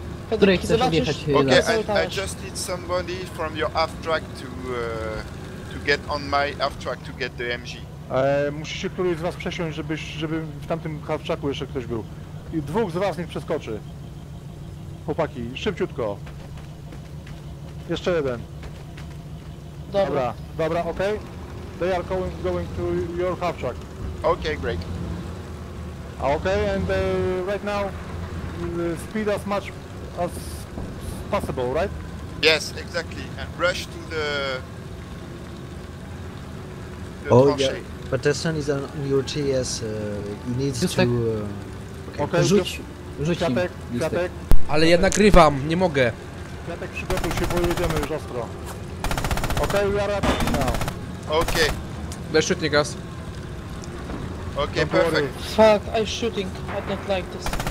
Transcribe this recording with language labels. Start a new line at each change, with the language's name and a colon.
English: Okay, I just need somebody from your half track to get on my half track to get the MG.
Polish: Musi się któryś z was przesiąść, żeby w tamtym halfczaku jeszcze ktoś był. I dwóch z was niech przeskoczy. Chłopaki, szybciutko. Jeszcze jeden. Dobra,
English: okej. Okay. They are going to your halfczak. Okay, great. Okay, and right now, speed as much as possible, right? Yes, exactly. And rush to the... Oh, yeah. Patterson is on your TS, he needs just to...
Polish: Okay, rzuć, rzuć im. Kwiatek. Ale ja nagrywam, nie mogę. Kwiatek, przygotuj się, bo jedziemy już ostro.
English: Okay, we are attacking now. Okay. Let's shoot, Nikas. Okay, don't perfect. Worry. Fuck, I'm shooting, I don't like this.